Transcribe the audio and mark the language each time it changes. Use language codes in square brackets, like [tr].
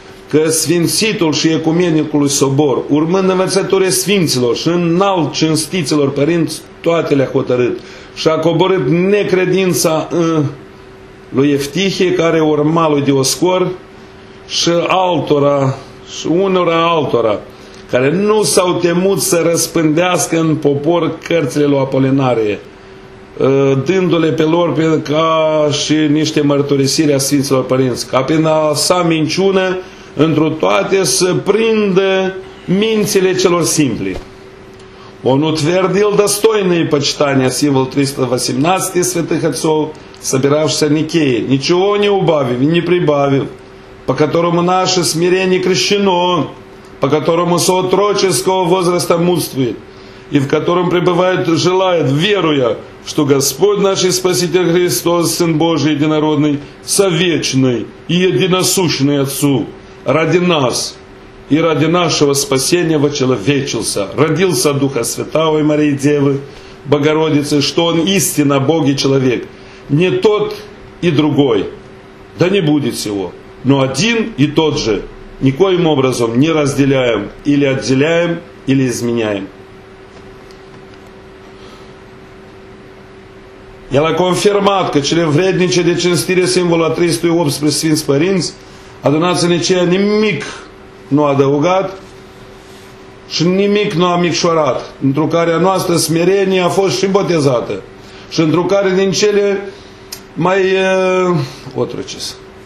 [ro] că Sfințitul și Ecumenicul Sobor, urmând învățătorii Sfinților și înalt cinstiților părinți, toate le-a hotărât și a coborât necredința lui Eftihie, care urma lui Dioscor și altora, și unora altora, care nu s-au temut să răspândească în popor cărțile lui Apolinare, dându-le pe lor ca și niște mărturisiri a Sfinților Părinți, ca prin a sa minciună întru toate să prindă mințile celor simpli. [ru] Он утвердил достойные почитания символ 318 святых отцов, собиравшихся в Никее, ничего не убавив и не прибавив, по которому наше смирение крещено, по которому со отроческого возраста мудствует, и в котором пребывает, желает, веруя, что Господь наш и Спаситель Христос, Сын Божий Единородный, совечный и единосущный Отцу, ради нас и ради нашего спасения вочеловечился, родился Духа Святого и Марии Девы, Богородицы, что Он истинно Бог и человек, не тот и другой, да не будет сего, но один и тот же, никоим образом не разделяем, или отделяем, или изменяем. [ro] El a confirmat că cele vrednice de cinstire simbolul a 318 Sfinți Părinți, adunați în aceea, nimic nu a adăugat și nimic nu a micșorat, întru care a noastră smerenie a fost și botezată și întru care din cele mai otrăcis.